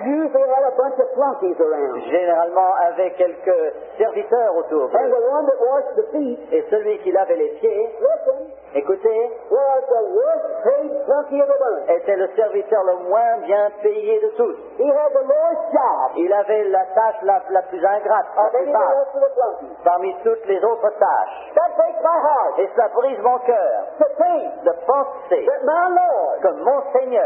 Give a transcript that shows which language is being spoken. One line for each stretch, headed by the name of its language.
English: usually had a bunch of flunkies around.
French: Généralement avaient quelques serviteurs autour d'eux.
English: And the one that washed the feet,
French: et celui qui lavait les pieds,
English: listen,
French: écoutez,
English: was the worst paid flunky of the bunch.
French: Était le serviteur le moins bien payé de tous.
English: He had the worst job.
French: Il avait la tâche la plus ingrate, la plus bas, parmi toutes les autres tâches.
English: That breaks my heart.
French: Et ça brise mon cœur.
English: To think,
French: de penser,
English: that my Lord,
French: que mon Seigneur,